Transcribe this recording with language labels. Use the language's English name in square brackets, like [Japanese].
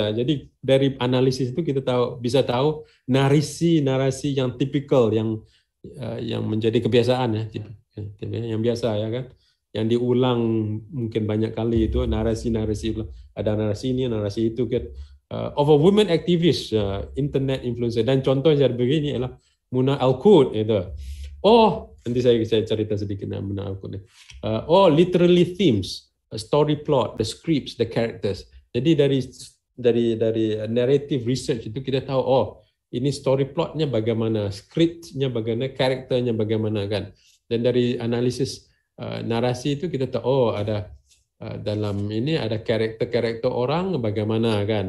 [Malay] Jadi dari analisis itu kita bisa tahu narasi-narasi yang typical yang menjadi kebiasaan ya. Yang biasa ya kan. Yang diulang mungkin banyak kali itu narasi-narasi. Ada narasi ini, narasi itu kan. [English] Of a woman activist, internet influencer. [Malay] Dan contoh yang saya beri ini ialah Muna Al-Qud. Gitu. Oh, nanti saya cerita sedikit tentang Muna Al-Qud. [English] Oh, literally themes, a story plot, the scripts, the characters. [Malay] Jadi dari narrative research itu kita tahu, oh, ini story plotnya bagaimana, scriptnya bagaimana, karakternya bagaimana kan. Dan dari analisis narasi itu kita tahu, oh, ada dalam ini ada karakter-karakter orang bagaimana kan.